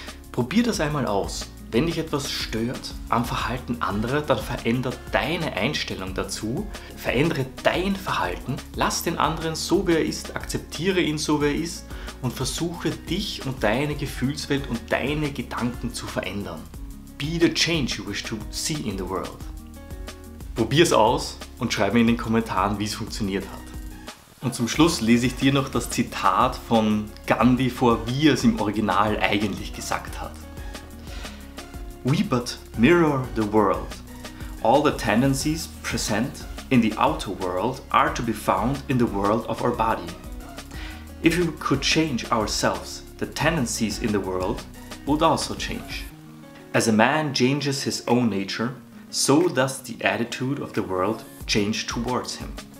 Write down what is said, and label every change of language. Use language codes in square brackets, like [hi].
[de] Probier das einmal aus. Wenn dich etwas stört am Verhalten anderer, dann verändere deine Einstellung dazu, verändere dein Verhalten, lass den anderen so, wie er ist, akzeptiere ihn so, wie er ist und versuche dich und deine Gefühlswelt und deine Gedanken zu verändern. [en] Be the change you wish to see in the world. [de] Probier es aus und schreib mir in den Kommentaren, wie es funktioniert hat. Und zum Schluss lese ich dir noch das Zitat von Gandhi vor, wie er es im Original eigentlich gesagt hat. [en] We but mirror the world. All the tendencies present in the outer world are to be found in the world of our body. If we could change ourselves, the tendencies in the world would also change. As a man changes his own nature, so does the attitude of the world change towards him.